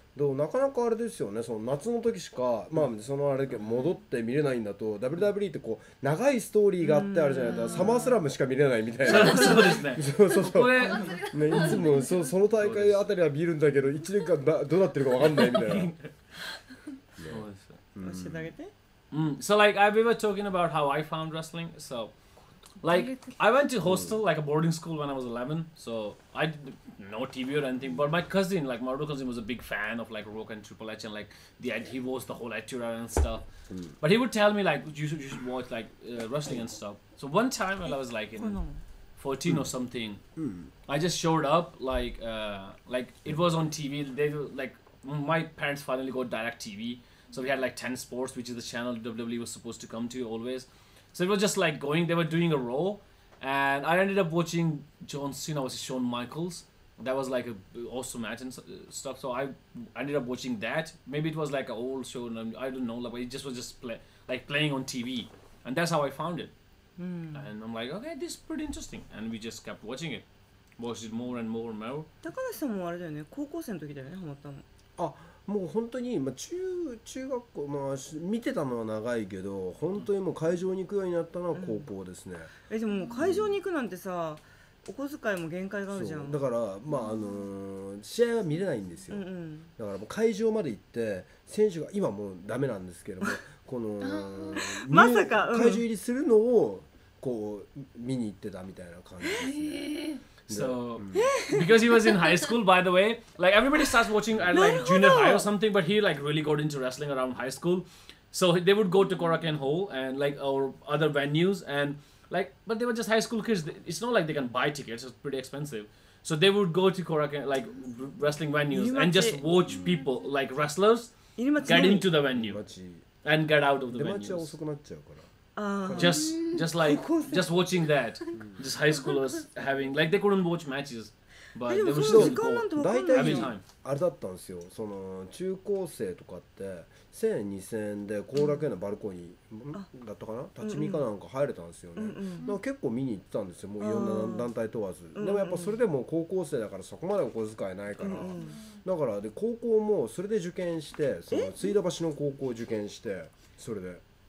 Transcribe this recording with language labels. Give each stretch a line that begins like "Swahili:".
Japanese: でもなかなかあれですよね、その夏の時しか、まあ、そのあれ戻って見れないんだと、WWE ってこう長いストーリーがあってあるじゃないですか、サマースラムしか見れないみたいな。そうですね。そうそうこれ、ね、いつもその大会あたりは見るんだけど、1年間どうなってるか分かんないみたいな。そうです。教えてあげて。うん。
English: So, like, I've been talking about how I found wrestling. So, like, I went to hostel, like a boarding school when I was 11. So, I didno TV or anything, but my cousin, like my older cousin, was a big fan of like Rock and Triple H, and like the he was the whole era and stuff. Mm. But he would tell me like you should watch like wrestling and stuff. So one time when I was like in 14 or something, I just showed up like it was on TV. They like my parents finally got direct TV, so we had like 10 Sports, which is the channel WWE was supposed to come to always. So it was just like going. They were doing a Raw, And I ended up watching John Cena versus Shawn Michaels. That was like an awesome match and stuff. So I ended up watching that. Maybe it was like an old show. I don't know. Like, it just was just playing on TV. And that's how I found it. Mm. And I'm like, okay, this is pretty interesting. And we just kept watching it. Watched it more and more and more.
Japanese: 高梨さんもあれだよね。高校生の時だよね、ハマったの。あ、もう本当に、まあ、中学校、まあ、見てたのは長いけど、本当にもう会場に行くようになったのは高校ですね。うん、え、でももう会場に行くなんてさ、うん、お小遣いも限界があるじゃん。だから、まあ試合は見れないんですよ、うんうん、だからもう会場まで行って選手が今もうダメなんですけどもこのまさか、うん、会場入りするのをこう見に行ってたみたいな感じですね。
English: So, because he was in high school, by the way, like everybody starts watching at like junior high or something, but he like really got into wrestling around high school. So they would go to Korakuen Hall and like our other venues and like, but they were just high school kids. It's not like they can buy tickets. It's pretty expensive. So they would go to Korakuen, like wrestling venues and just watch people, like wrestlers, get into the venue and get out of the venue. Just like just watching that, just high schoolers having like they couldn't watch matches, but they were still go
Japanese: every time. あれだったんですよ。その中高生とかって1000円2000円で後楽園のバルコニーだったかな、立ち見かなんか入れたんですよね。だから結構見に行ってたんですよ。もういろんな団体問わず。でもやっぱそれでも高校生だからそこまでお小遣いないから。だからで高校もそれで受験して、その水道橋の高校受験して、それで。